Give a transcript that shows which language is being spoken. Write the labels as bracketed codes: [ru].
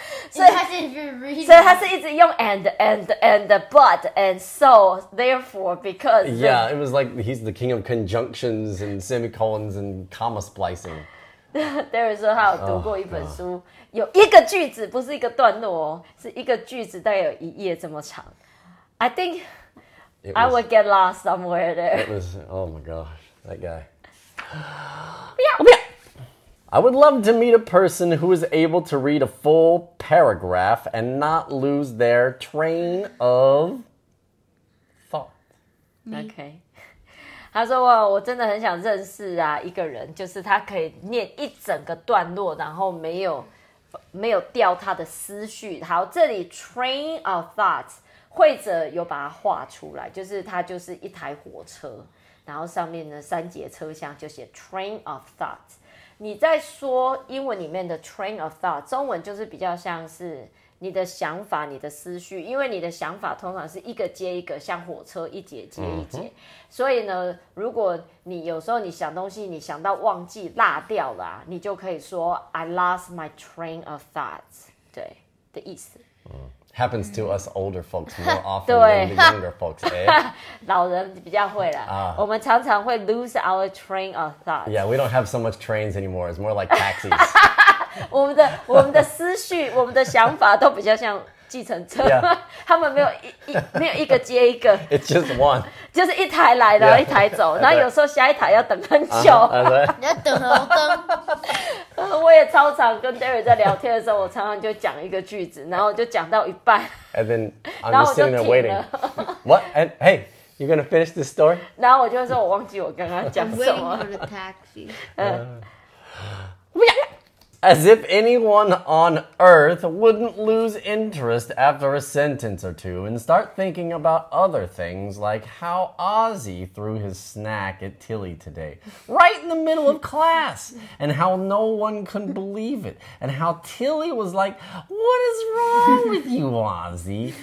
[en] So he has to use and, but, and so, therefore, because. Yeah, it was like he's the king of conjunctions and semicolons and comma splicing. There is a how to go even so. [zh] 有一个句子不是一个段落哦，是一个句子大概有一页这么长。 [en] I think. I would get lost somewhere there. It was, oh my gosh, that guy. I would love to meet a person who is able to read a full paragraph and not lose their train of thought. Okay. [zh] 他说哇，我真的很想认识啊一个人，就是他可以念一整个段落，然后没有掉他的思绪。好，这里 train of thoughts. 绘者有把它画出来，就是它就是一台火车，然后上面呢三节车厢就写 train of thought。你在说英文里面的 train of thought， 中文就是比较像是你的想法、你的思绪，因为你的想法通常是一个接一个，像火车一节接一节。所以呢，如果你有时候你想东西，你想到忘记落掉了、啊、你就可以说 [en] I lost my train of thought， [zh] 对的意思。 [en] Happens to us older folks more often than the younger folks, eh? [zh] 老人比较会啦。我们常常会 [en] lose our train of thought. Yeah, we don't have so much trains anymore. It's more like taxis. [zh] 我们的思绪、我们的想法都比较像计程车。 [en] Yeah, [zh] 他们没有 没有一个接一个 [en] It's just one [zh] 就是一台来然后一台走 [en] yeah, [zh] 然后有时候下一台要等很久 uh-huh, uh-huh. 你要等红灯我也超常跟 Derry 在聊天的时候我常常就讲一个句子然后就讲到一半 [en] And then I'm just sitting there waiting What? And, hey, you're going to finish this story? [zh] 然后我就说我忘记我刚刚讲什么 [en] I'm waiting for the taxi [zh] 不要 [en] As if anyone on earth wouldn't lose interest after a sentence or two and start thinking about other things like how Ozzy threw his snack at Tilly today, right in the middle of class, and how no one could believe it, and how Tilly was like, what is wrong with you, Ozzy?